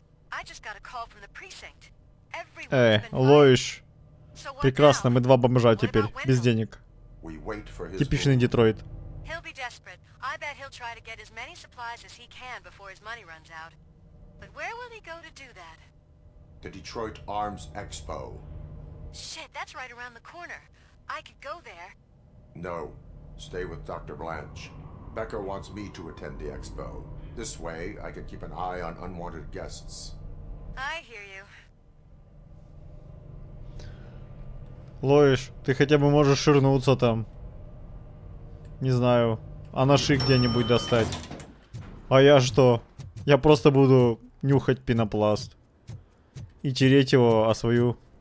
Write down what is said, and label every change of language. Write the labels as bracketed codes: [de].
[en] I just got a call from the precinct. [ru] Лоиш. Прекрасно, мы два бомжа теперь, без денег. Типичный Детройт. [en] He'll be desperate. I bet he'll he'll try to get as many supplies as he can before his money runs out. But where will he go to do that? The Detroit Arms Expo. Shit, that's right around the corner. I could go there. No. Stay with Dr. Blanche. Becker wants me to attend the expo. This way, I can keep an eye on unwanted guests. I hear you. [ru] Лоиш, ты хотя бы можешь ширнуться там. Не знаю. А наши где-нибудь достать. А я что? Я просто буду нюхать пенопласт. И тереть его о свою...